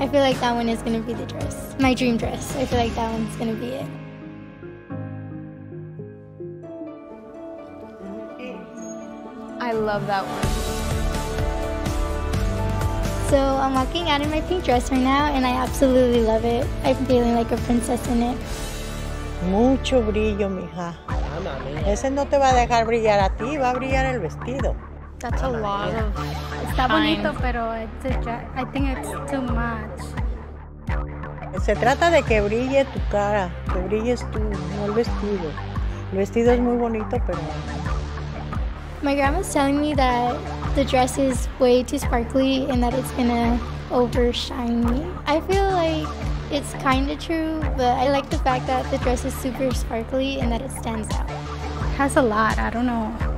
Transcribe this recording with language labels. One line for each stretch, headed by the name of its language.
English: I feel like that one is going to be the dress, my dream dress. I feel like that one's going to be it. I love that one. So I'm walking out in my pink dress right now and I absolutely love it. I'm feeling like a princess in it.
Spanish: Mucho brillo, mija. Ese no te va a dejar brillar a ti, va a brillar el vestido.
English: That's a lot of
Spanish: Está bonito, pero
English: I think it's too much.
Spanish: Se trata de que brille tu cara, que brilles tú, no el vestido. El vestido es muy bonito, pero...
English: My grandma's telling me that the dress is way too sparkly and that it's gonna overshine me. I feel like it's kind of true, but I like the fact that the dress is super sparkly and that it stands out. It has a lot, I don't know.